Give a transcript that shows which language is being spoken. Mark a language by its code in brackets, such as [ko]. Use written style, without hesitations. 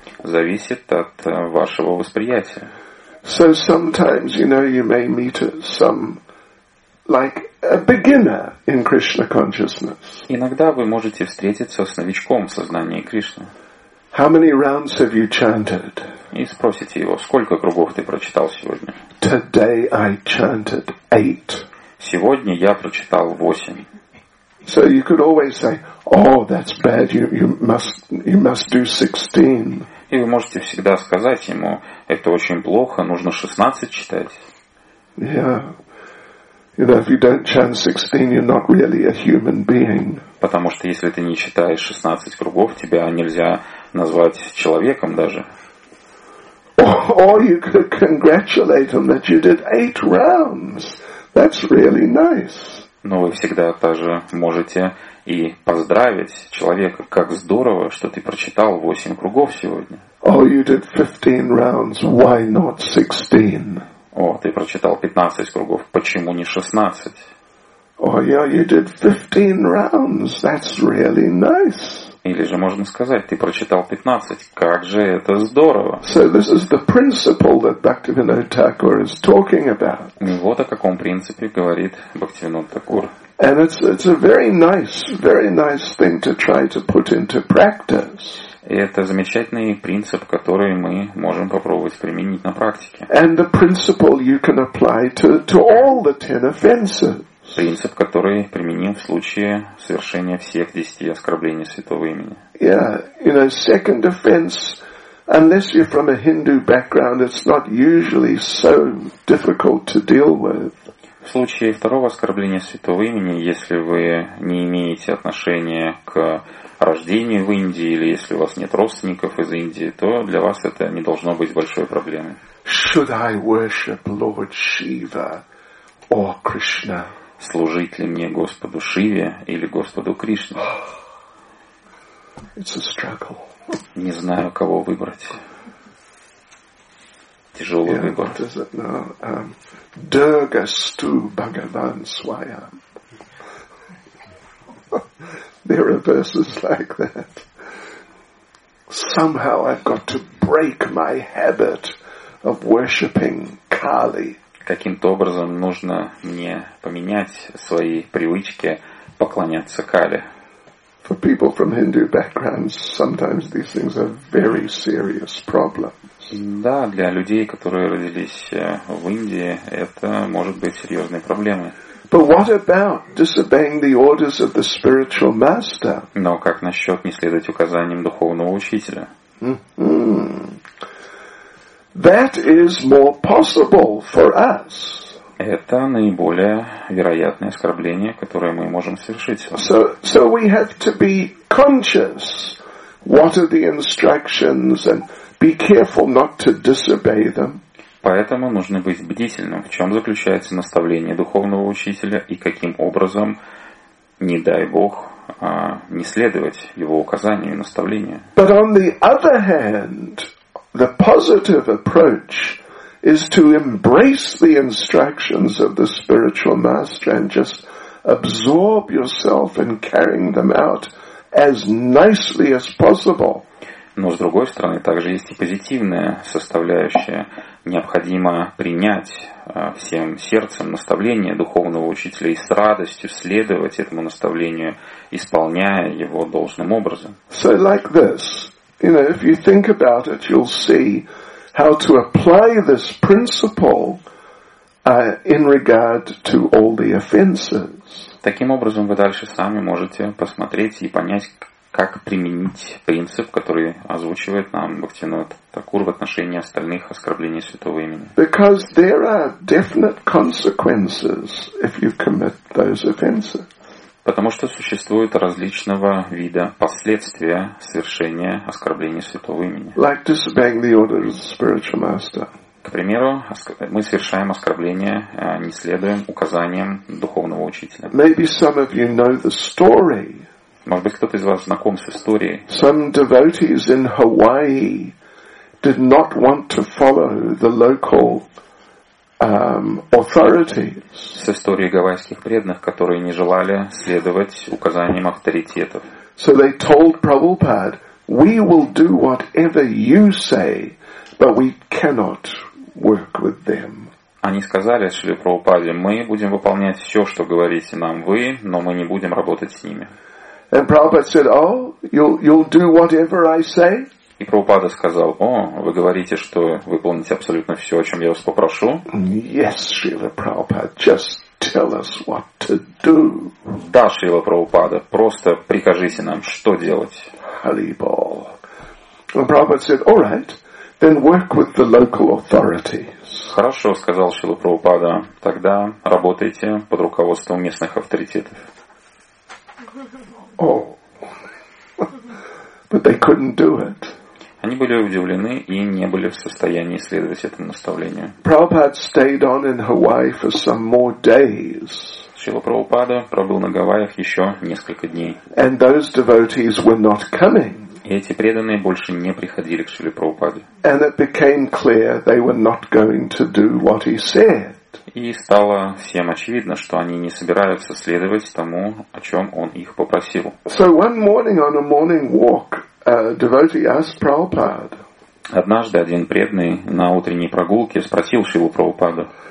[ru] Зависит от вашего восприятия. [en] So sometimes, you know, you may meet some, like, a beginner in Krishna consciousness. [ru] Иногда вы можете встретиться с новичком в сознании Кришны. [en] How many rounds have you chanted? [ru] И спросите его, сколько кругов ты прочитал сегодня? [en] Today I chanted 8. [ru] Сегодня я прочитал 8. [en] So you could always say, "Oh, that's bad. You must do 16." [ru] И вы можете всегда сказать ему: "Это очень плохо, нужно 16 читать." [en] Yeah. You know, if you don't chant 16, you're not really a human being. [ru] Потому что если ты не читаешь 16 кругов, тебя нельзя назвать человеком даже. [en] Or you could congratulate him that you did 8 rounds. That's really nice. [ru] Но вы всегда также можете и поздравить человека: как здорово, что ты прочитал 8 кругов сегодня. [en] Oh, you did 15 rounds, why not 16? [ru] О, ты прочитал 15 кругов, почему не 16? [en] Oh, yeah, you did 15 rounds, that's really nice. [ru] Или же можно сказать: ты прочитал 15, как же это здорово. [en] So this is the principle that Bhaktivinoda Thakur is talking about. [ru] Вот о каком принципе говорит Бхактивинода Такур. [en] And it's a very nice thing to try to put into practice. [ru] И это замечательный принцип, который мы можем попробовать применить на практике. [en] And the principle you can apply to all the 10 offenses. [ru] Принцип, который применим в случае совершения всех 10 оскорблений святого имени. [en] Yeah, you know, second offense, unless you're from a Hindu background, it's not usually so difficult to deal with. [ru] В случае второго оскорбления святого имени, если вы не имеете отношения к рождению в Индии, или если у вас нет родственников из Индии, то для вас это не должно быть большой проблемой. [en] Should I worship Lord Shiva or Krishna? [ru] Служить ли мне Господу Шиве или Господу Кришне? It's a struggle. Не знаю, кого выбрать. Тяжелый выбор. [en] What is it now? [sa] Durga Stu Bhagavan Swayam. [en] There are verses like that. Somehow I've got to break my habit of worshipping Kali. [ru] Каким-то образом нужно мне поменять свои привычки поклоняться Кали. [en] For people from Hindu backgrounds, sometimes these things are very serious problems. [ru] Да, для людей, которые родились в Индии, это может быть серьезной проблемой. [en] But what about disobeying the orders of the spiritual master? [ru] Но как насчет не следовать указаниям духовного учителя? [en] That is more possible for us. [ru] Это наиболее вероятное оскорбление, которое мы можем совершить. [en] So we have to be conscious what are the instructions and be careful not to disobey them. [ru] Поэтому нужно быть бдительным, в чем заключается наставление духовного учителя и каким образом, не дай бог, не следовать его указаниям и наставлениям. [en] But on the other hand, the positive approach is to embrace the instructions of the spiritual master and just absorb yourself in carrying them out as nicely as possible. [ru] Но с другой стороны, также есть и позитивная составляющая. Необходимо принять всем сердцем наставление духовного учителя и с радостью следовать этому наставлению, исполняя его должным образом. [en] So like this. You know, if you think about it, you'll see how to apply this principle in regard to all the offenses. [ru] Таким образом, вы дальше сами можете посмотреть и понять, как применить принцип, который озвучивает нам Бхактивинода Такур в отношении остальных оскорблений святого имени. [en] Because there are definite consequences if you commit those offenses. [ru] Потому что существуют различного вида последствия совершения оскорбления святого имени. [en] Like disobeying the order of the spiritual master. [ru] К примеру, мы совершаем оскорбление, не следуем указаниям духовного учителя. [en] Maybe some of you know the story. [ru] Может быть, кто-то из вас знаком с историей. [en] Some devotees in Hawaii did not want to follow the local authorities. [ru] С историей гавайских преданных, которые не желали следовать указаниям авторитетов. [en] So they told Prabhupada, "We will do whatever you say, but we cannot work with them." [ru] Они сказали Шри Прабхупаде, мы будем выполнять все, что говорите нам вы, но мы не будем работать с ними. [en] And Prabhupada said, "Oh, you'll do whatever I say." [ru] И Прабхупада сказал, о, вы говорите, что выполните абсолютно все, о чем я вас попрошу. [en] Yes, Srila Prabhupada, just tell us what to do. [ru] Да, Шрила Прабхупада, просто прикажите нам, что делать. Халибол. [en] And Prabhupada said, "All right, then work with the local authorities." [ru] Хорошо, сказал Шрила Прабхупада, тогда работайте под руководством местных авторитетов. [en] Oh. But they couldn't do it. [ru] Они были удивлены и не были в состоянии следовать этому наставлению. [en] Prabhupada stayed on in Hawaii for some more days. [ru] Шрила Прабхупада пробыл на Гавайях еще несколько дней. [en] And those devotees were not coming. [ru] И эти преданные больше не приходили к Шриле Прабхупаде. [en] And it became clear they were not going to do what he said. [ru] И стало всем очевидно, что они не собираются следовать тому, о чем он их попросил. [en] So one morning on a morning walk, a devotee asked Prabhupada. [ru] Однажды один преданный на утренней прогулке спросил Шрилу Прабхупаду.